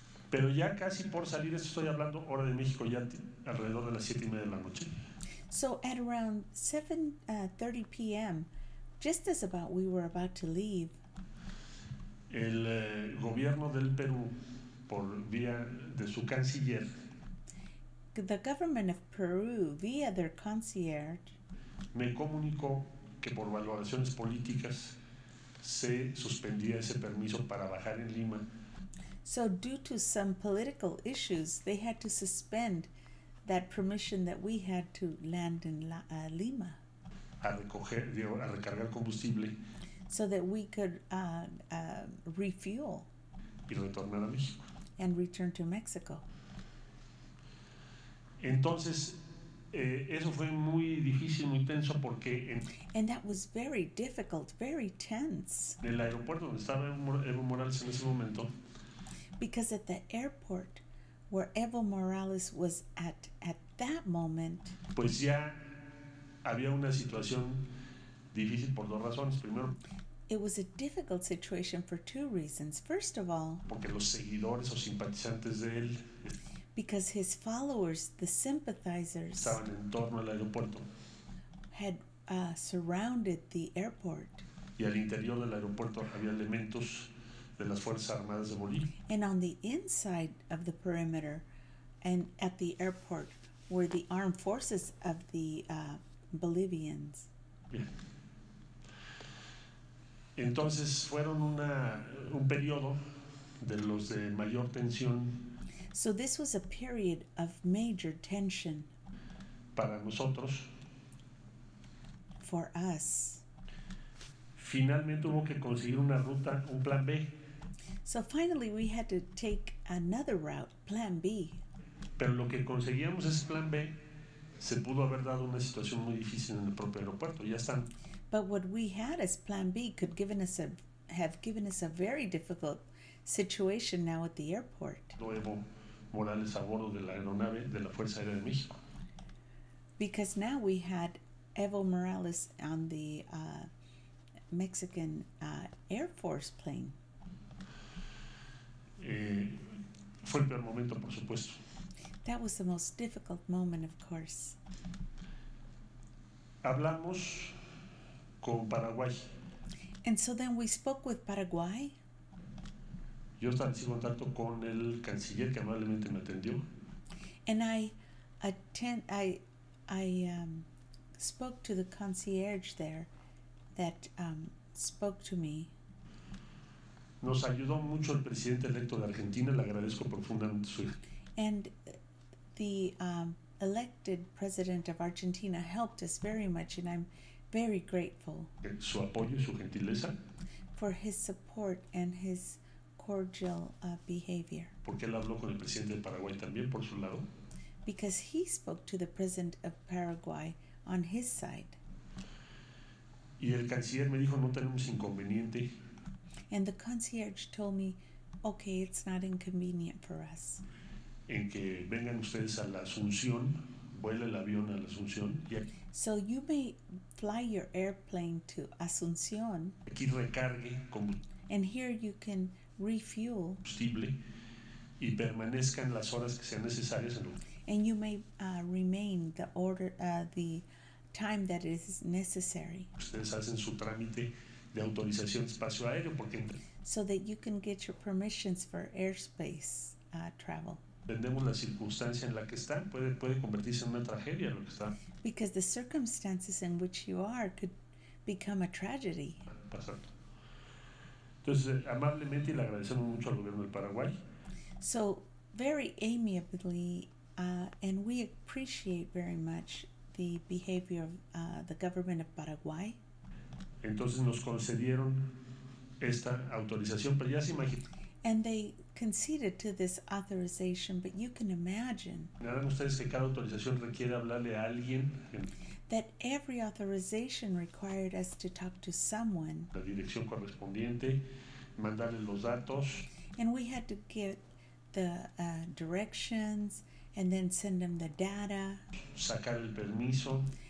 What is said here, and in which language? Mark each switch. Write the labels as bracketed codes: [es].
[es] Pero ya casi por salir, estoy hablando hora de México, ya alrededor de las 7:30 de la noche. [en] So at around 7:30 p.m., just as about we were about to leave, [es] el gobierno del Perú, por vía de su canciller, [en] the government of Peru, via their concierge, [es] me comunicó que por valoraciones políticas se suspendía ese permiso para bajar en Lima. [en] So due to some political issues, they had to suspend that permission that we had to land in Lima. [es] A recargar combustible. [en] So that we could refuel. [es] Y retornar a México. [en] And return to Mexico. [es] Entonces, eso fue muy difícil, muy tenso, porque en... [en] And that was very difficult, very tense. [es] En el aeropuerto donde estaba Evo Morales en ese momento. [en] Because at the airport where Evo Morales was at that moment. [es] Pues ya había una situación difícil por dos razones. Primero, [en] it was a difficult situation for two reasons. First of all, [es] porque los seguidores o simpatizantes de él... [en] Because his followers, the sympathizers, [es] estaban en torno al aeropuerto, [en] had surrounded the airport. [es] Y al interior del aeropuerto había elementos de las Fuerzas Armadas de Bolivia. [en] And on the inside of the perimeter and at the airport were the armed forces of the Bolivians. [es] Bien. Entonces fueron un periodo de los de mayor tensión. [en] So this was a period of major tension. [es] Para nosotros. [en] For us. [es] Finalmente hubo que conseguir una ruta, un plan B. [en] So finally we had to take another route, plan B. [es] Pero lo que conseguíamos es plan B. Se pudo haber dado una situación muy difícil en el propio aeropuerto. Ya están. [en] But what we had as plan B could have given us a very difficult situation now at the airport. [es] Nuevo Morales a bordo de la aeronave de la Fuerza Aérea de México. [en] Because now we had Evo Morales on the Mexican Air Force plane. [es] Fue el peor momento, por supuesto. [en] That was the most difficult moment, of course. [es] Hablamos con Paraguay. [en] And so then we spoke with Paraguay. [es] Yo establecí contacto con el canciller que amablemente me atendió. [en] And I spoke to the concierge there that spoke to me. [es] Nos ayudó mucho el presidente electo de Argentina, le agradezco profundamente su. [en] And the elected president of Argentina helped us very much, and I'm very grateful. [es] Su apoyo y su gentileza. [en] For his support and his cordial behavior. [es] Porque él habló con el presidente de Paraguay también por su lado. [en] Because he spoke to the president of Paraguay on his side. [es] Y el canciller me dijo, no tenemos inconveniente. [en] And the concierge told me, okay, it's not inconvenient for us. [es] En que vengan ustedes a la Asunción, vuela el avión a la Asunción. [en] So you may fly your airplane to Asunción. [es] Aquí recargue combustible. [en] And here you can refuel. [es] Combustible. Y permanezcan las horas que sean necesarias. [en] And you may remain the order, the time that is necessary. [es] Ustedes hacen su trámite de autorización de espacio aéreo porque. [en] So that you can get your permissions for airspace travel. [es] Entendemos la circunstancia en la que están, puede convertirse en una tragedia lo que está. [en] Because the circumstances in which you are could become a tragedy. [es] Pasando. Entonces, amablemente y le agradecemos mucho al gobierno del Paraguay. [en] So, very amiably, and we appreciate very much the behavior of the government of Paraguay. [es] Entonces nos concedieron esta autorización, pero ya se imagina. [en] And they conceded to this authorization, but you can imagine. [es] ¿Saben ustedes que cada autorización requiere hablarle a alguien? [en] That every authorization required us to talk to someone. [es] La dirección correspondiente, mandarle los datos. [en] And we had to get the directions and then send them the data. [es] Sacar el permiso.